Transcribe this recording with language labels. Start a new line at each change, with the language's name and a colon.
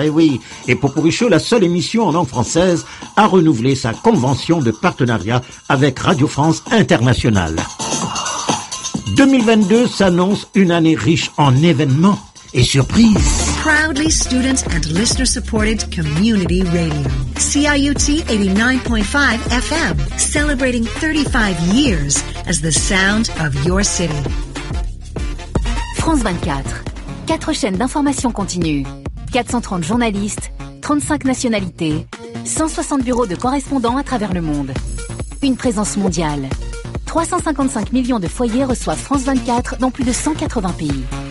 French: Eh oui, et Popourri Show, la seule émission en langue française, a renouvelé sa convention de partenariat avec Radio France Internationale. 2022 s'annonce une année riche en événements et surprises.
English: Proudly student and listener supported community radio. CIUT 89.5 FM, celebrating 35 years as the sound of your city.
French: France 24, 4 chaînes d'information continue, 430 journalistes, 35 nationalités, 160 bureaux de correspondants à travers le monde. Une présence mondiale. 355 millions de foyers reçoivent France 24 dans plus de 180 pays.